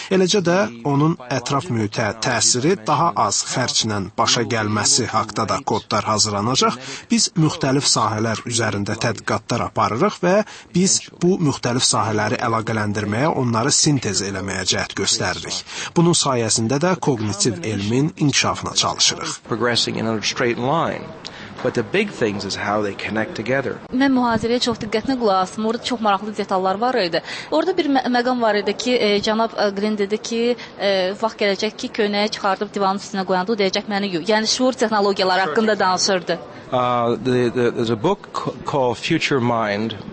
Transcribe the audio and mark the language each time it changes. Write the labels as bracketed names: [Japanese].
[Azerbaijani] Eləcə də onun ətraf mühitə təsiri daha az xərclə başa gəlməsi haqda da kodlar hazırlanacaq. Biz müxtəlif sahələr üzərində tədqiqatlar aparırıq və biz bu müxtəlif sahələri əlaqələndirməyə, onları sintez eləməyə cəhd göstəririk. Bunun sayəsində də kognitiv elmin inkişafına çalışırıq. [English] But the big things is how they connect together. [Azerbaijani] Mən mühazirəyə çox diqqətlə qulaq asdım. Orada çox maraqlı detallar var idi. Orada bir məqam var idi ki, cənab Green dedi ki, vaxt gələcək ki, köynəyi çıxardıb divanın üstünə qoyanda o deyəcək məni yox. Yəni şuur texnologiyaları haqqında danışırdı. [English] There's a book called Future Mind.